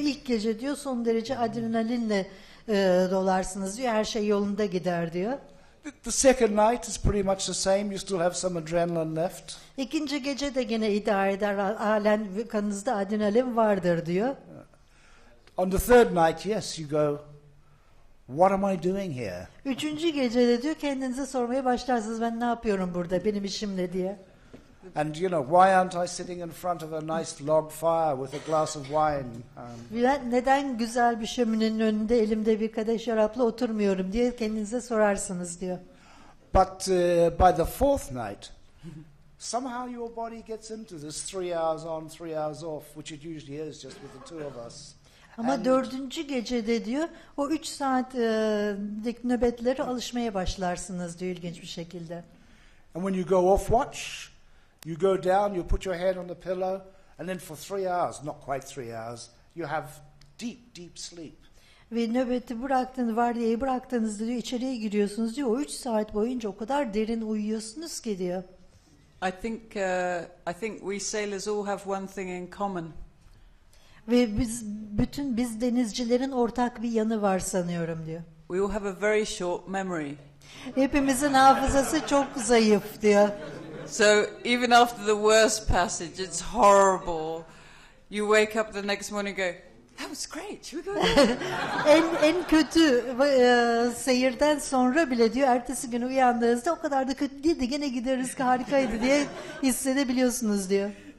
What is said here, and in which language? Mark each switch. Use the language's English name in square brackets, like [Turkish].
[Turkish] İlk gece diyor son derece adrenalinle dolarsınız diyor. Her şey yolunda gider diyor. [English] The second night is pretty much the same. You still have some adrenaline left. [Turkish] İkinci gece de yine idare eder. Halen kanınızda adrenalin vardır diyor. [English] On the third night, yes, you go, what am I doing here? [Turkish] Üçüncü gecede diyor kendinize sormaya başlarsınız, ben ne yapıyorum burada, benim işim ne diye. [English] And you know, why aren't I sitting in front of a nice log fire with a glass of wine? [Turkish] Neden güzel bir şöminenin önünde elimde bir kadeh şarapla oturmuyorum diye kendinize sorarsınız diyor. [English] But by the fourth night, somehow your body gets into this 3 hours on, 3 hours off, which it usually is just with the two of us. [Turkish] Ama [English] and [Turkish] dördüncü gecede diyor, o 3 saatlik nöbetlere alışmaya başlarsınız diyor ilginç bir şekilde. [English] And when you go off watch, you go down, you put your head on the pillow, and then for 3 hours, not quite 3 hours, you have deep, deep sleep. [Turkish] Ve nöbeti bıraktığınız, vardiyayı bıraktığınızda diyor, içeriye giriyorsunuz diyor, o 3 saat boyunca o kadar derin uyuyorsunuz ki diyor. [English] I think we sailors all have one thing in common. [Turkish] Ve biz bütün biz denizcilerin ortak bir yanı var sanıyorum diyor. [English] We all have a very short memory. [Turkish] Hepimizin hafızası çok zayıf diyor. [English] So even after the worst passage, it's horrible. You wake up the next morning and go, that was great. Should we go? [Turkish] En kötü seyirden sonra bile diyor, ertesi gün uyandığınızda o kadar da kötü değildi, gene gideriz, harikaydı diye hissedebiliyorsunuz diyor.